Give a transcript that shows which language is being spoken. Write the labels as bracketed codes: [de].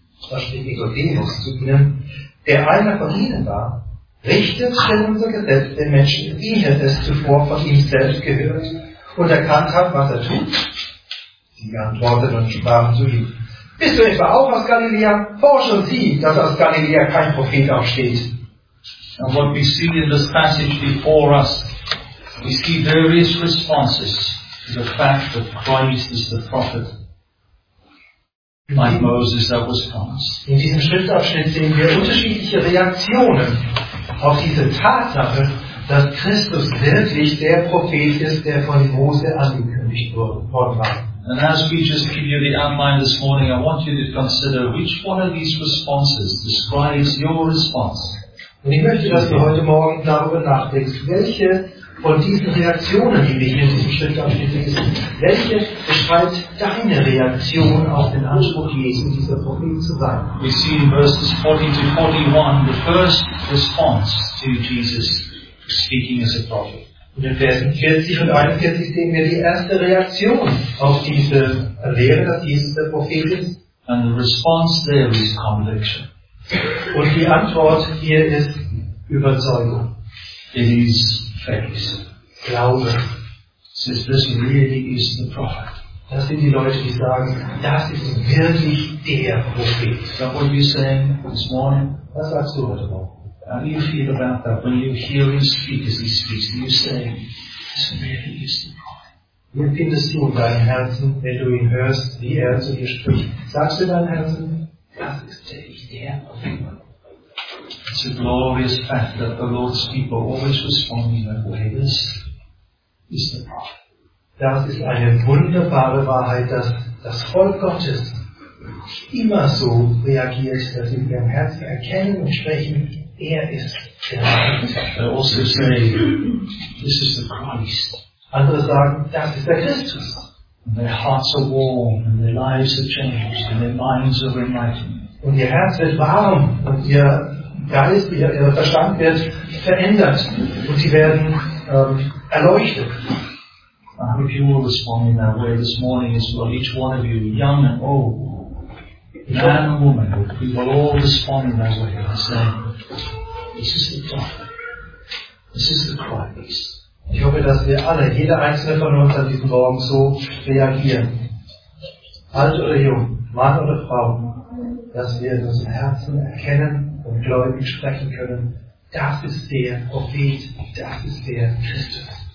[de] Da steht Nikodemus zu ihnen, der einer von ihnen war, richtet denn unser Gesetz den Menschen, wie er es zuvor von ihm selbst gehört und erkannt hat, was er tut? Sie antworteten und sprachen zu ihm, bist du etwa auch aus Galiläa? Forsch und sieh, dass aus Galiläa kein Prophet aufsteht. [en] And what we see in this passage before us, we see various responses to the fact that Christ is the prophet, like Moses that was promised. [de] In diesem Schriftabschnitt sehen wir unterschiedliche Reaktionen auf diese Tatsache, dass Christus wirklich der Prophet ist, der von Mose angekündigt worden war. [en] And as we just give you the outline this morning, I want you to consider which one of these responses describes your response. [de] Und ich möchte, dass du heute Morgen darüber nachdenkst, welche von diesen Reaktionen, die wir hier in diesem Schriftabschnitt lesen, welche beschreibt deine Reaktion auf den Anspruch Jesu, dieser Prophet zu sein? [en] We see in verses 40 to 41 the first response to Jesus speaking as a prophet. [de] Und in Versen 40 und 41 sehen wir die erste Reaktion auf diese Lehre, dass Jesus der Prophet ist. [en] And the response there is conviction. [de] Und die Antwort hier ist Überzeugung. [en] It is faith. [de] Glaube. [en] Says this really is the prophet. [de] Das sind die Leute, die sagen, das ist wirklich der Prophet. [en] Is that what you're saying this morning? [de] Was sagst du heute Morgen? [en] How do you feel about that? When you hear him speak as he speaks, do you say, this really is the prophet? [de] Wie findest du in deinem Herzen, wenn du ihn hörst, wie zu dir spricht? Sagst du in deinem Herzen, das ist wirklich der Prophet? [en] It's a glorious fact that the Lord's people always respond in that way. This is the prophet. [de] Das ist eine wunderbare Wahrheit, dass das Volk Gottes immer so reagiert, dass sie in ihrem Herzen erkennen und sprechen, [en] they also say, this is the Christ. [de] Andere sagen, das ist der Christus. [en] And their hearts are warm, and their lives are changed, and their minds are enlightened. [de] Und ihr Herz wird warm, und ihr Geist, ihr Verstand wird verändert, und sie werden erleuchtet. [en] I hope you will respond in that way this morning as well. Each one of you, young and old, man and woman, we will all respond in that way and say, this is the prophet. This is the Christ. [de] Ich hoffe, dass wir alle, jeder einzelne von uns an diesem Morgen so reagieren. Alt oder jung, Mann oder Frau, dass wir in unserem Herzen erkennen und gläubig sprechen können, das ist der Prophet, das ist der Christus.